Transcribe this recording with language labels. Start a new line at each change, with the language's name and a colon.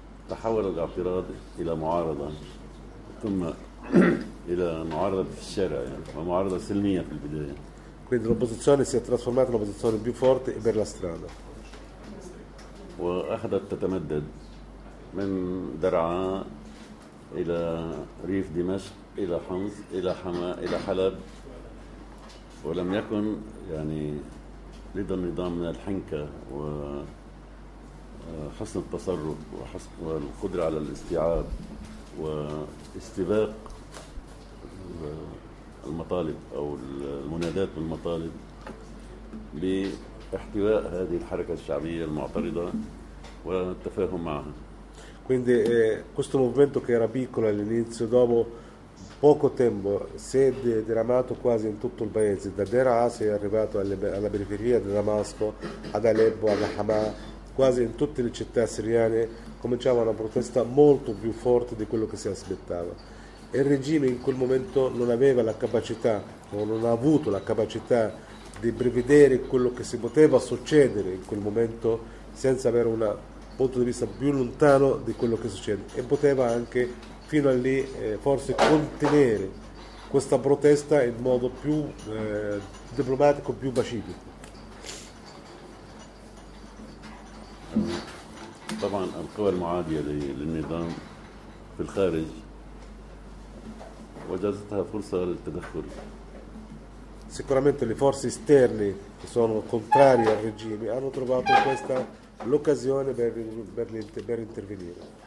Arabic: تحول الاعتراض إلى معارضة ثم إلى معارضة في الشارع يعني ومعارضة سلمية في البداية.
Italian: Quindi l'opposizione si è trasformata in un'opposizione più forte per la strada.
Arabic: وأخذت تتمدد من درعا إلى ريف دمشق إلى حمص إلى حماة إلى حلب. ولم يكن يعني لدى النظام من الحنكة وحسن التصرف وحسن القدرة على الاستيعاب واستباق المطالب أو المنادات بالمطالب باحتواء هذه الحركة الشعبية المعترضة والتفاهم معها.
Italian: Quindi questo movimento che era piccolo all'inizio dopo poco tempo si è diramato quasi in tutto il paese, da Deraa si è arrivato alla periferia di Damasco, ad Aleppo, ad Hama, quasi in tutte le città siriane cominciava una protesta molto più forte di quello che si aspettava. Il regime in quel momento non aveva la capacità o non ha avuto la capacità di prevedere quello che si poteva succedere in quel momento senza avere un punto di vista più lontano di quello che succede, e poteva anche fino a lì forse contenere questa protesta in modo più diplomatico, più pacifico.
Arabic: طبعا القوى المعادية للنظام في الخارج وجدتها فرصة للتدخل.
Italian: Sicuramente le forze esterne che sono contrarie al regime hanno trovato questa l'occasione per intervenire.